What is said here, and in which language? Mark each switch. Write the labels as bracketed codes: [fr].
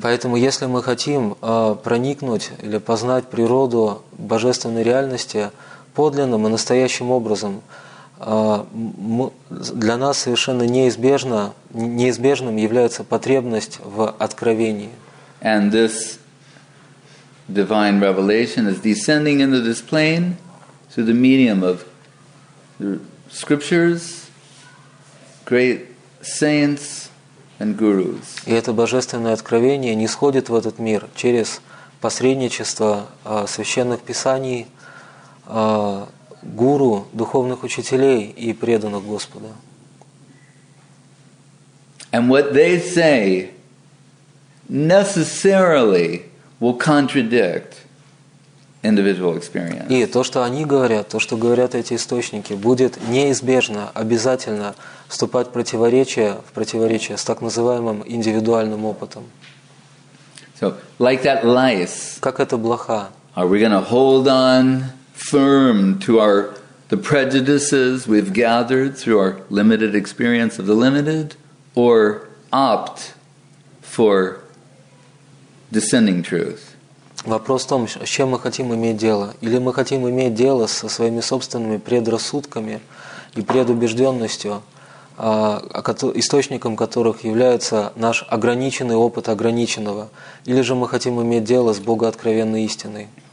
[ru] Поэтому, если мы хотим проникнуть или познать природу божественной реальности, подлинным и настоящим образом, для нас совершенно неизбежным является потребность в откровении. [en] And this divine revelation is descending into this plane through the medium of the scriptures, great saints and gurus. [ru] И это божественное откровение нисходит в этот мир через посредничество священных писаний, гуру, духовных учителей и преданных Господа. [en] And what they say necessarily will contradict individual experience. [ru] И то, что они говорят, то, что говорят эти источники, будет неизбежно, обязательно вступать в противоречие с так называемым индивидуальным опытом. [en] So, like that lice. [ru] Как эта блоха. [en] Are we going to hold on firm to the prejudices we've gathered through our limited experience of the limited, or opt for descending truth? [ru] Вопрос в том, с чем мы хотим иметь дело. Или мы хотим иметь дело со своими собственными предрассудками и предубежденностью, источником которых является наш ограниченный опыт ограниченного. Или же мы хотим иметь дело с богооткровенной истиной.